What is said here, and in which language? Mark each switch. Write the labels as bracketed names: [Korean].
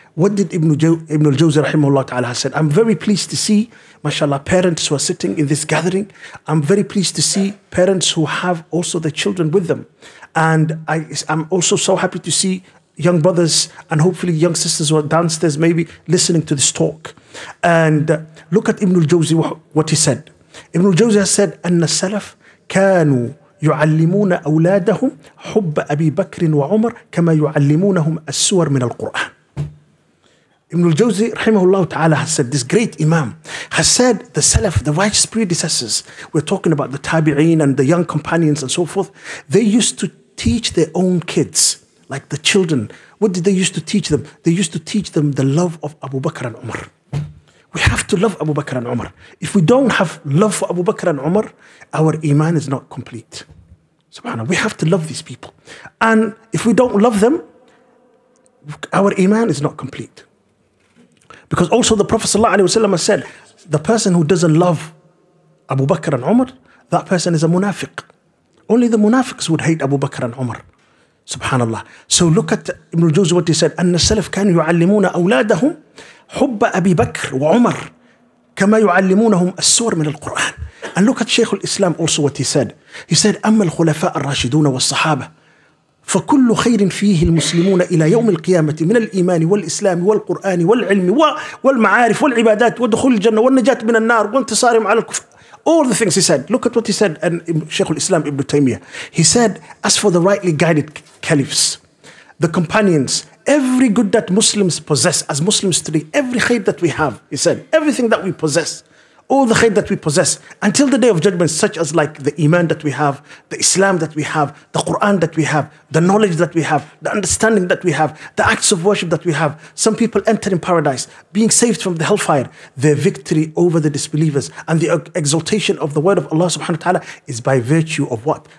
[English] What did Ibn al-Jawzi rahimahullah ta'ala has said? I'm very pleased to see, mashallah, parents who are sitting in this gathering. I'm very pleased to see parents who have also their children with them. And I'm also so happy to see young brothers and hopefully young sisters who are downstairs maybe listening to this talk. And look at Ibn al-Jawzi, what he said. Ibn al-Jawzi has said, [Arabic] أن السلف كانوا يعلمون أولادهم حب أبي بكر وعمر كما يعلمونهم السور من القرآن. [English] Ibn al-Jawzi, rahimahullah ta'ala, has said, this great imam, has said, the salaf, the righteous predecessors, we're talking about the tabi'een and the young companions and so forth, they used to teach their own kids, like the children. What did they used to teach them? They used to teach them the love of Abu Bakr and Umar. We have to love Abu Bakr and Umar. If we don't have love for Abu Bakr and Umar, our iman is not complete. Subhanallah, we have to love these people. And if we don't love them, our iman is not complete. Because also the Prophet ﷺ has said, the person who doesn't love Abu Bakr and Umar, that person is a munafiq. Only the munafiqs would hate Abu Bakr and Umar. Subhanallah. So look at Ibn al-Jawzi what he said. [Arabic] أن السلف كانوا يعلمون أولادهم حب أبي بكر وعمر كما يعلمونهم السور من القرآن. [English] And look at Sheikh al-Islam also what he said. He said, [Arabic] أما الخلفاء الراشدون والصحابة فكل خير فيه المسلمون إلى يوم القيامة من الإيمان والإسلام والقرآن والعلم والمعارف والعبادات ودخول الجنة والنجاة من النار وانتصارهم على الكفر. [English] All the things he said. Look at what he said. And Sheikh al-Islam Ibn Taymiyyah, he said, as for the rightly guided caliphs, the companions, every good that Muslims possess as Muslims today, every khair that we have, he said, everything that we possess, all the khair that we possess until the day of judgment, such as like the iman that we have, the Islam that we have, the Quran that we have, the knowledge that we have, the understanding that we have, the acts of worship that we have, some people entering paradise, being saved from the hellfire, their victory over the disbelievers and the exaltation of the word of Allah subhanahu wa ta'ala is by virtue of what?